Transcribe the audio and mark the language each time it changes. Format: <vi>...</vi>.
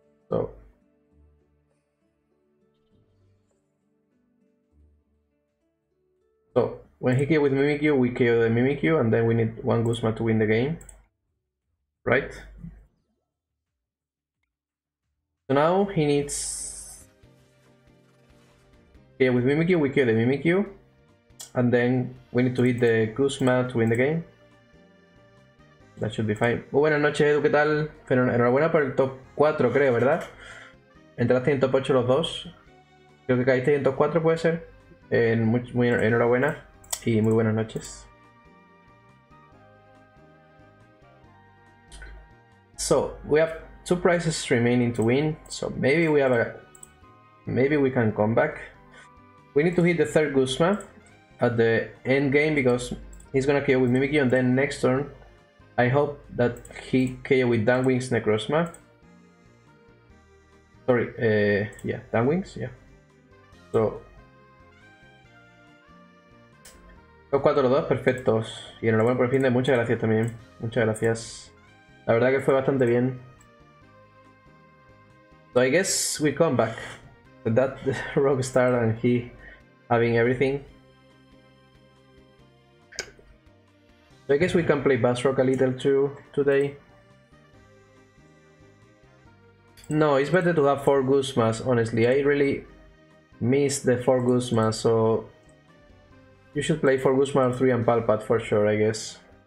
<en>So when he kill with Mimikyu, we kill the Mimikyu, and then we need one Guzman to win the game. Right? So now he needs. Yeah, with Mimikyu, we kill the Mimikyu. And then we need to hit the Guzman to win the game. That should be fine.</en> <es>Muy buenas noches, Edu, ¿qué tal? Enhorabuena por el top 4, creo, ¿verdad? Entraste en top 8 los dos. Creo que caíste en top 4, puede ser. Muy enhorabuena. Y muy buenas noches.</es> <en>So we have two prizes remaining to win, so maybe we have a, maybe we can come back. We need to hit the third Guzman at the end game because he's gonna KO with Mimikyu, and then next turn I hope that he KO with Dunwings Necrozma. Sorry, yeah, Dunwings, yeah.</en> <es>So los cuatro los dos perfectos y enhorabuena por el fin de, muchas gracias también, muchas gracias. La verdad que fue bastante bien.</es> <en>So I guess we come back. That Rockstar and he having everything. So I guess we can play Bass Rock a little too today. No, it's better to have 4 Guzmas, honestly. I really miss the 4 Guzmas, so you should play 4 Guzmas or 3 and Palpat for sure, I guess.</en>